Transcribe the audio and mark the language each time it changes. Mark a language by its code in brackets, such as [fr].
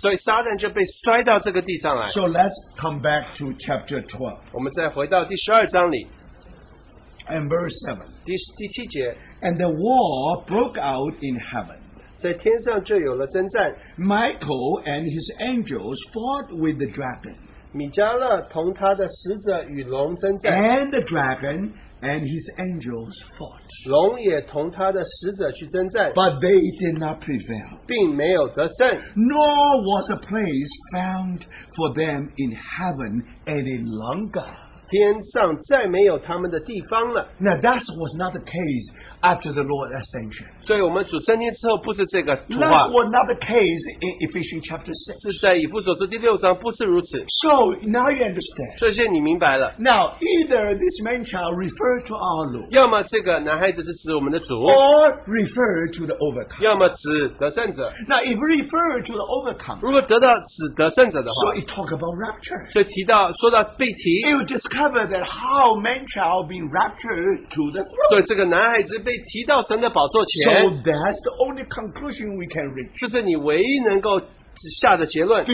[zh] 所以撒旦就被摔到这个地上来。 [en] So let's come back to chapter 12. [zh] 我们再回到第十二章里。 [en] And verse 7. [zh] 第七节。 [en] And the war broke out in heaven. [zh] 在天上就有了征战。 [en] Michael and his angels fought with the dragon. [zh] 米迦勒同他的使者与龙征战。 [en] And the dragon and his angels fought. [zh] 龙也同他的使者去征战。 [en] But they did not prevail. [zh] 并没有得胜。 [en] Nor was a place found for them in heaven any longer. [zh] 天上再没有他们的地方了。 [en] Now that was not the case after the Lord's ascension. [zh] 所以我们主升天之后不是这个图画。 [en] That was not the case in Ephesians chapter 6. [zh] 是在以弗所书第六章不是如此。 [en] So now you understand. [zh] 这些你明白了。 [en] Now either this man child referred to our Lord. [zh] 要么这个男孩子是指我们的主。 [en] Or referred to the overcomer. [zh] 要么指得胜者。 [en] Now if referred to the overcomer. [zh] 如果得到指得胜者的话。 [en] So it talk about rapture. [zh] 所以提到说到被提。 [en] Discover that how man-child be raptured to the throne. [zh] 所以这个男孩子被提到神的宝座前。 [en] So that's the only conclusion we can reach. [zh] 这是你唯一能够下的结论。